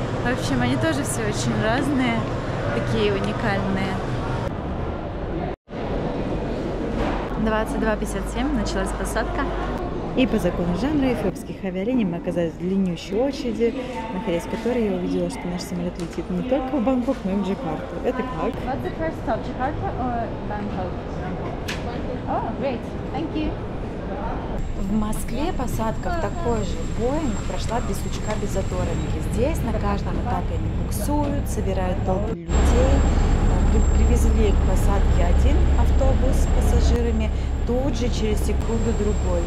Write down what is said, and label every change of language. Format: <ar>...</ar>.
<ru>В общем, они тоже все очень разные, такие уникальные. 22:57, началась посадка. И по закону жанра эфиопских авиалиний мы оказались в длиннющей очереди, находясь в которой я увидела, что наш самолет летит не только в Бангкок, но и в Джакарту. Это как?</ru> <en>What's the first stop, Джакарта or Бангкок? Oh, great, thank you.</en> <ru>В Москве посадка в такой же Боинг прошла без сучка, без заторники. Здесь на каждом этапе они буксуют, собирают толпы людей. Привезли к посадке один автобус с пассажирами, тут же через секунду другой.</ru>